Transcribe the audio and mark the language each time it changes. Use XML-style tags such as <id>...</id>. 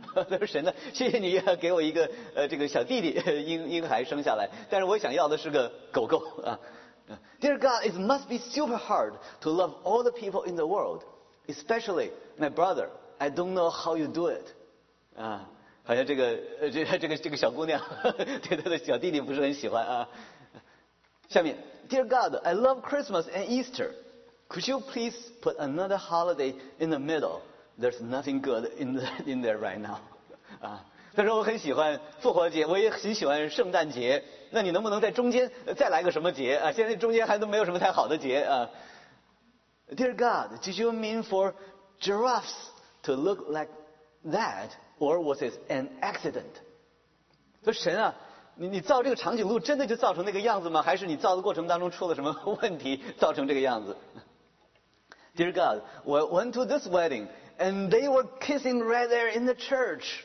<zh>他说神呢，谢谢你给我一个这个小弟弟婴孩生下来，但是我想要的是个狗狗啊。</zh> <en>Dear God, it must be super hard to love all the people in the world, especially my brother. I don't know how you do it. 啊。</en> <zh>好像这个小姑娘对她的小弟弟不是很喜欢啊。</zh> <en>下面 ，Dear God, I love Christmas and Easter. Could you please put another holiday in the middle? There's nothing good in there right now.</en> <zh>啊，她说我很喜欢复活节，我也很喜欢圣诞节。那你能不能在中间再来个什么节啊？现在中间还都没有什么太好的节啊。</zh> <en>Dear God, did you mean for giraffes to look like that? Or was it an accident?</en> <zh>说神啊，你造这个长颈鹿真的就造成那个样子吗？还是你造的过程当中出了什么问题造成这个样子？</zh> <en>Dear God, I went to this wedding and they were kissing right there in the church.</en>